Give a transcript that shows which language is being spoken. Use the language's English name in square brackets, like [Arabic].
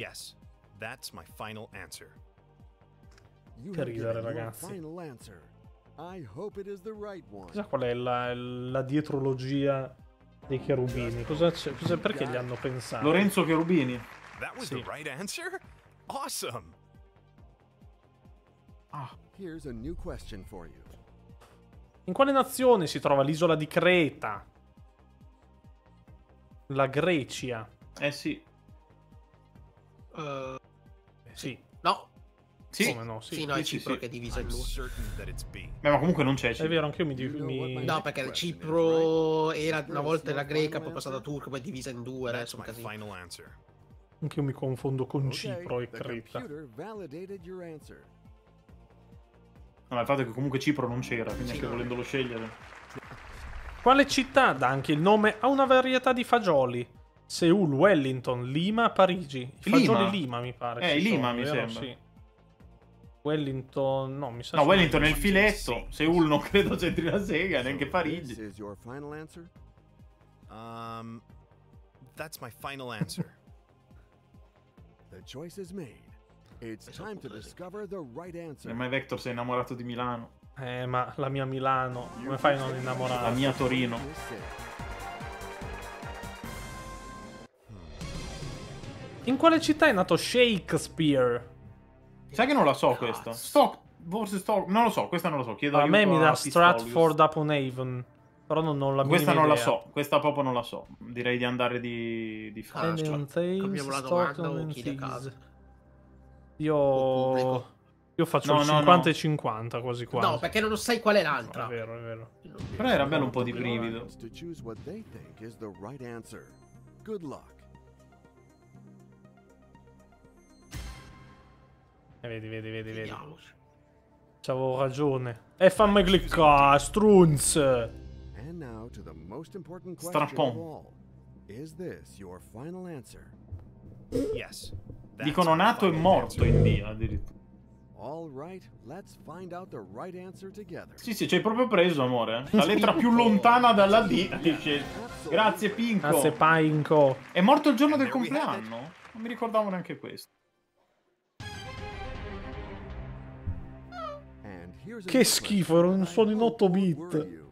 [English] Yes, that's my final answer. [Italian] Che ridere, ragazzi. Chissà qual è la dietrologia dei cherubini. Cosa perché gli hanno pensato? Lorenzo Cherubini. [English] That was the right answer? Awesome. Ah, here's a new question for you. [Italian] In quale nazione si trova l'isola di Creta? La Grecia. Sì. No. Sì. Come no? Sì. Sì, no, è Cipro che è divisa in due. Beh, ma comunque non c'è Cipro. È vero, anch'io mi... No, perché Cipro era una volta la greca, poi passata turca, poi divisa in due, adesso un casino. Anch'io mi confondo con Cipro e Creta. No, ma il fatto è che comunque Cipro non c'era, quindi anche volendolo scegliere. Quale città dà anche il nome a una varietà di fagioli? Seul, Wellington, Lima, Parigi. Lima, mi pare. Lima, sono, mi vero? Sembra. Sì. Wellington, no, mi sa. No, Wellington è il filetto. Sì. Seul non credo c'entri la sega, neanche Parigi. [English] This is your final answer? That's my final answer. The choice is made. It's time to discover the right answer. [Italian] Ma Vector, sei innamorato di Milano? Ma la mia Milano, come fai a non innamorarti? La mia Torino. In quale città è nato Shakespeare? Sai che non la so questa. Non lo so, questa non lo so. Chiedo a me mi da Stratford-upon-Avon. Però non la questa non idea. La so, questa proprio non la so. Direi di andare di fare. Cioè, cambiamo la domanda, chi da casa. Io faccio 50 e 50 quasi qua. No, perché non lo sai qual è l'altra. No, è vero, è vero. Però era bello un po' di brivido. [English] To choose what they think is the right answer. Good luck. [Italian] Vedi. C'avevo ragione. E fammi cliccare, strunz. [English] And now to the most important question Strapon. Of all. Is this your final answer? Yes. [Italian] Dicono nato e morto in Dio, addirittura. [English] All right, let's find out the right answer together. [Italian] Sì, ci hai proprio preso, amore. La lettera più lontana dalla D. Dice. Grazie, Pinco. Grazie, Pinco. È morto il giorno del compleanno? Non mi ricordavo neanche questo. Che schifo, era un suono in 8 bit.